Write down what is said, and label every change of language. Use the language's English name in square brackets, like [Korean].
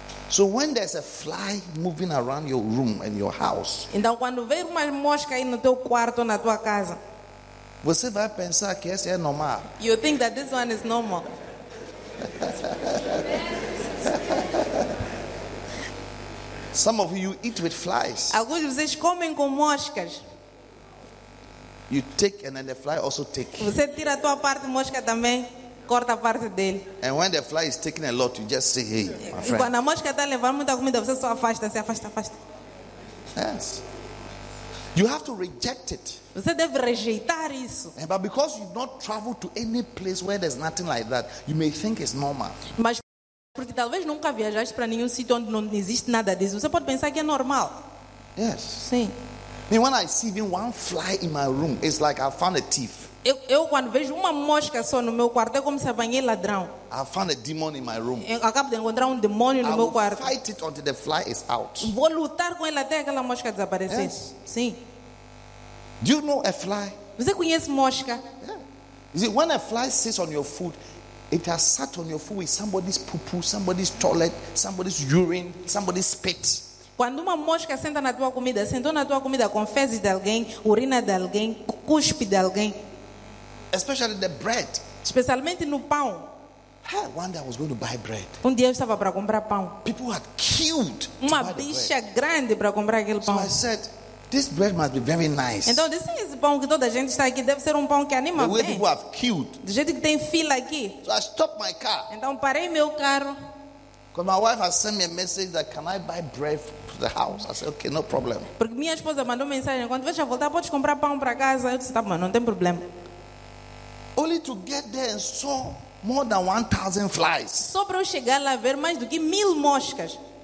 [English] So when there's a fly moving around your room and your house, [Portuguese] então quando vem uma mosca aí no teu quarto ou na tua casa, você vai pensar que esse é normal. [English] You think that this one is normal. Some of you eat with flies. [Portuguese] Alguns de vocês comem com moscas. [English] You take and then the fly also take. [Portuguese] Você tira a tua parte de mosca também, corta a parte dele. [English] And when the fly is taking a lot, you just say, hey, my friend. [Portuguese] E quando a mosca está levando muita comida, você só afasta, se afasta, afasta. [English] Yes. You have to reject it. [Portuguese] Você deve rejeitar isso. [English] And but because you've not traveled to any place where there's nothing like that, you may think it's normal. [Portuguese] Mas porque talvez nunca viajaste para nenhum sítio onde não existe nada disso, você pode pensar que é normal. [English] Yes. [Portuguese] Sim. [English] I mean, when I see even one fly in my room, it's like I found a thief. [Portuguese] Eu quando vejo uma mosca só no meu quarto, é como se apanhei ladrão. [English] I found a demon in my room. [Portuguese] Eu acabo de encontrar demônio no meu quarto. [English] I will fight it until the fly is out. [Portuguese] Vou lutar com ele até aquela mosca desaparecer. [English] Yes. [Portuguese] Sim. [English] Do you know a fly? [Portuguese] Você conhece mosca? [English] Yeah. You see, when a fly sits on your foot, it has sat on your foot with somebody's poo-poo, somebody's toilet, somebody's urine, somebody's spit. [Portuguese] Quando uma mosca senta na tua comida, sentou na tua comida com fezes de alguém, urina de alguém, cuspe de alguém. [English] Especially the bread. [Portuguese] Especialmente no pão. [English] Hey, one day I was going to buy bread. [Portuguese] Um dia eu estava para comprar pão. [English] People had queued. [Portuguese] Uma bicha grande para comprar aquele pão. [English] So I said, this bread must be very nice. [Portuguese] Então disse, esse pão que toda a gente está aqui deve ser pão que anima [English] bem. People have queued. [Portuguese] Do jeito que tem fila aqui. [English] So I stopped my car. [Portuguese] Então parei meu carro. [English] Because my wife has sent me a message that can I buy bread for the house? I said, okay, no problem. [Portuguese] Porque minha esposa mandou mensagem, quando você voltar pode comprar pão para casa. Eu disse, tá bom, não tem problema. [English] Only to get there and saw more than 1,000 flies. [Portuguese] Só para eu chegar lá ver mais do que 1,000 moscas.